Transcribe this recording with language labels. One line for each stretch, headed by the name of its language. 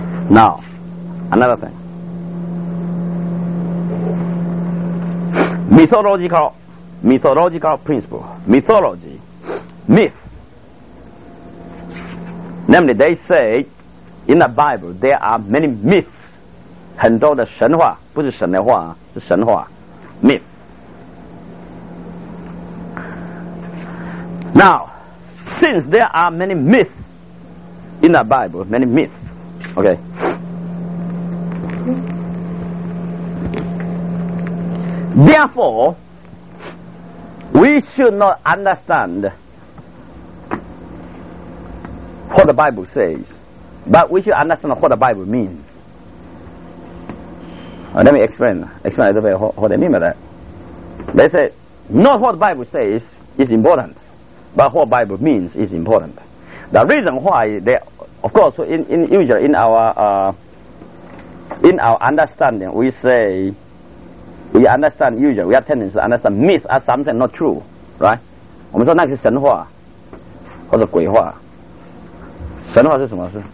English: Now, another thing. Mythological principle. Mythology. Myth. Namely, they say in the Bible there are many myths.
Chinese: 很多的神话, 不是神的话, 是神话.
English: Myth. Now, since there are many myths in the Bible, many myths, okay. Therefore, we should not understand what the Bible says, but we should understand what the Bible means. Let me explain a little bit what they mean by that. They say, not what the Bible says is important, but what the Bible means is important. The reason why, they, of course, in our understanding, we have tendency to understand myth as something not true, right?
Chinese: 我们说那个是神话, 或者鬼话, 神话是什么?